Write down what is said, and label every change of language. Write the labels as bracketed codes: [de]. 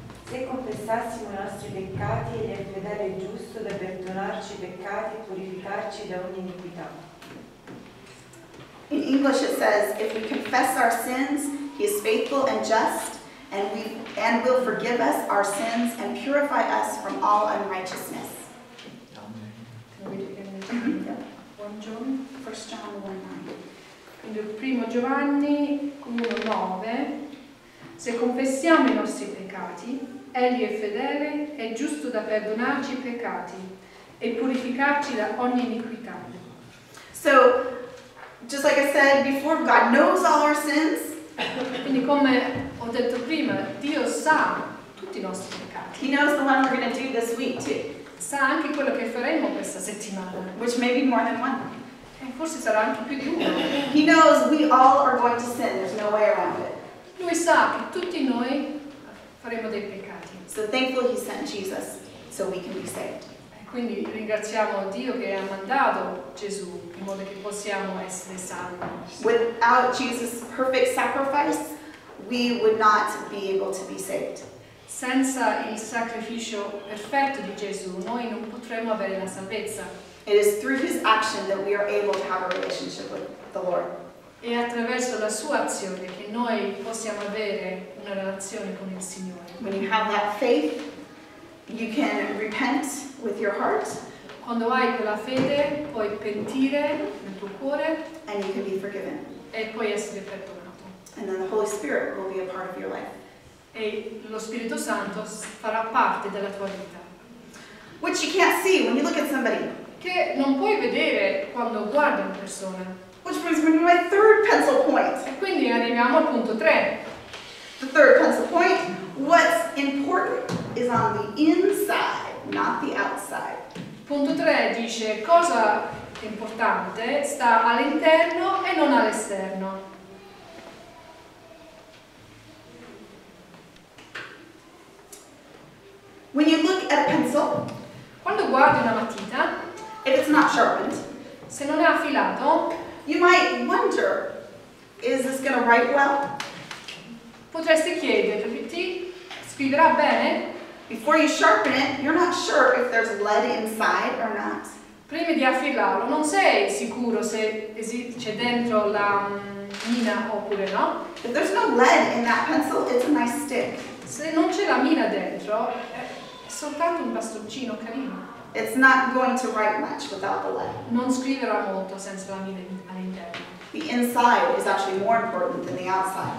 [it] Se confessassimo i nostri peccati, egli è fedele e giusto da perdonarci i peccati e purificarci da ogni iniquità. [en] In English it says, if we confess our sins, he is faithful and just, and will forgive us our sins and purify us from all unrighteousness. Amen. Can we read it again? 1 John 1:9. [it] Se confessiamo i nostri peccati, egli è fedele e giusto da perdonarci i peccati e purificarci da ogni iniquità. [en] So, just like I said before, God knows all our sins. [it] Quindi come ho detto prima, Dio sa tutti i nostri peccati. [en] He knows the one we're going to do this week too. [it] Sa anche quello che faremo questa settimana. [en] Which may be more than one. [it] E forse sarà anche più di uno. [en] He knows we all are going to sin. There's no way around it. [it] Lui sa che tutti noi faremo dei peccati. [en] So thankful he sent Jesus so we can be saved. [it] Quindi ringraziamo Dio che ha mandato Gesù in modo che possiamo essere salvi. [en] Without Jesus' perfect sacrifice, we would not be able to be saved. [it] Senza il sacrificio perfetto di Gesù, noi non potremmo avere la salvezza. [en] It is through his action that we are able to have a relationship with the Lord. [it] E attraverso la sua azione che noi possiamo avere una relazione con il Signore. [en] When you have that faith, you can repent with your heart. [it] Quando hai quella fede, puoi pentire nel tuo cuore. [en] And you can be forgiven. [it] E puoi essere perdonato. [en] And then the Holy Spirit will be a part of your life. [it] E lo Spirito Santo farà parte della tua vita. [en] Which you can't see when you look at somebody. [it] Che non puoi vedere quando guardi una persona. [en] Which brings me to my third pencil point. [it] E quindi arriviamo al punto 3. [en] The third pencil point. What's important is on the inside, not the outside. [it] Punto 3 dice cosa importante sta all'interno e non all'esterno. [en] When you look at a pencil, [it] quando guardi una matita, [en] if it's not sharpened, [it] se non è affilato, [en] you might wonder, is this going to write well? [it] Potresti chiederti, scriverà bene? [en] Before you sharpen it, you're not sure if there's lead inside or not. [it] Prima di affilarlo, non sei sicuro se c'è dentro la mina oppure no. [en] If there's no lead in that pencil, it's a nice stick. [it] Se non c'è la mina dentro, è soltanto un bastoncino carino. [en] It's not going to write much without the lead. [it] Non scriverà molto senza la mina all'interno. [en] The inside is actually more important than the outside.